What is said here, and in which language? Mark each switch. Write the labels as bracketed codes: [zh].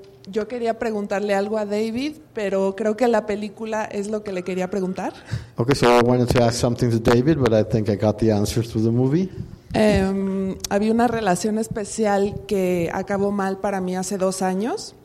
[es] Yo quería preguntarle algo a David, pero creo que la película es lo que le quería preguntar. [en] Okay, so I wanted to ask something to David, but I think I got the answer through the movie. [es] Había una relación especial que acabó mal para mí hace 2 años.